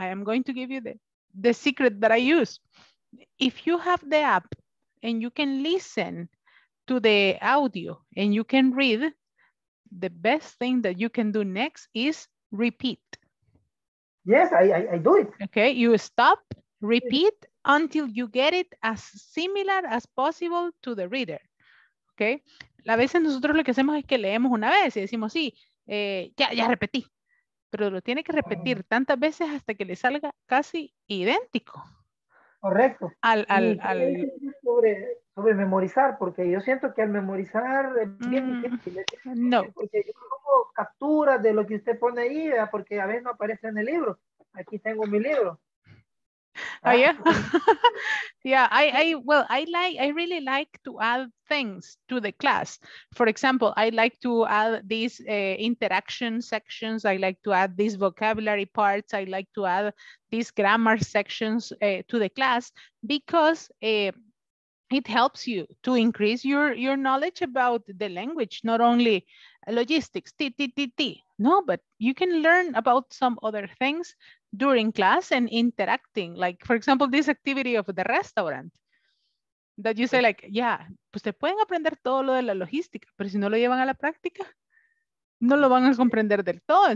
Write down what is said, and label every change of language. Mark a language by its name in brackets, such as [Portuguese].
[English] I am going to give you the secret that I use. If you have the app and you can listen to the audio and you can read, the best thing that you can do next is repeat. Yes, I do it. Okay, you stop, repeat, yes, until you get it as similar as possible to the reader. Okay. [Spanish] A veces nosotros lo que hacemos es que leemos una vez y decimos, sí, ya repetí. Pero lo tiene que repetir tantas veces hasta que le salga casi idéntico. Correcto. Al... Sobre memorizar, porque yo siento que al memorizar es bien difícil. No. Porque yo como capturas de lo que usted pone ahí, ¿verdad? Porque a veces no aparece en el libro. Aquí tengo mi libro. [English] Oh, yeah. Yeah, I really like to add things to the class. For example, I like to add these interaction sections. I like to add these vocabulary parts. I like to add these grammar sections to the class, because it helps you to increase your knowledge about the language, not only logistics, no, but you can learn about some other things during class and interacting, like for example, this activity of the restaurant that you say, like, yeah, [Spanish] pues te pueden aprender todo lo de la logística, pero si no lo llevan a la práctica, no lo van a comprender del todo.